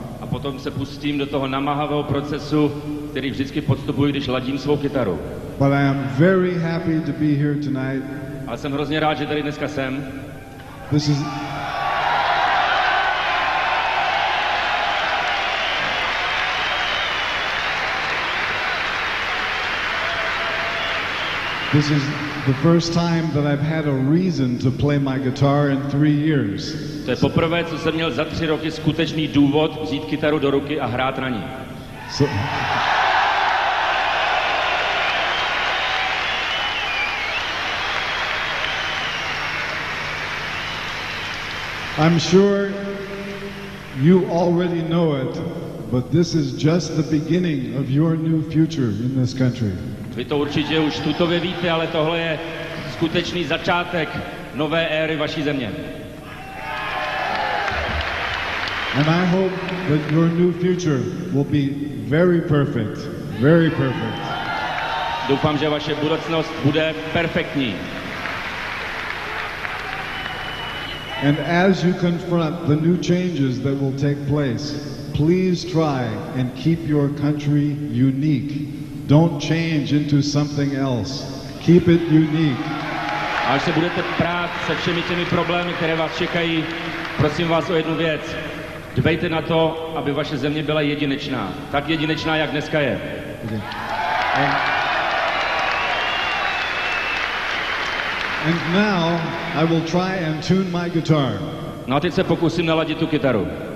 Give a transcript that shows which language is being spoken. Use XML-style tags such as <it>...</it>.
<cs>A potom se pustím do toho namáhavého procesu, který vždycky podstupuji, když ladím svou kytaru.</cs> <en>But I am very happy to be here tonight.</en> <cs>A jsem hrozně rád, že tady dneska jsem.</cs> <en>This is the first time that I've had a reason to play my guitar in 3 years.</en> <cs>To je poprvé, co jsem měl za 3 roky skutečný důvod vzít kytaru do ruky a hrát na ní.</cs> <en>I'm sure you already know it, but this is just the beginning of your new future in this country.</en> <cs>Vy to určitě už tutově víte, ale tohle je skutečný začátek nové éry vaší země.</cs> <en>And I hope that your new future will be very perfect, very perfect.</en> <cs>Doufám, že vaše budoucnost bude perfektní.</cs> <en>And as you confront the new changes that will take place, please try and keep your country unique. Don't change into something else. Keep it unique.</en> <cs>A až se budete prát se všemi těmi problémy, které vás čekají, prosím vás o jednu věc. Dbejte na to, aby vaše země byla jedinečná. Tak jedinečná, jak dneska je.</cs> <en>And now I will try and tune my guitar.</en> <cs>No a teď se pokusím naladit tu kytaru.</cs>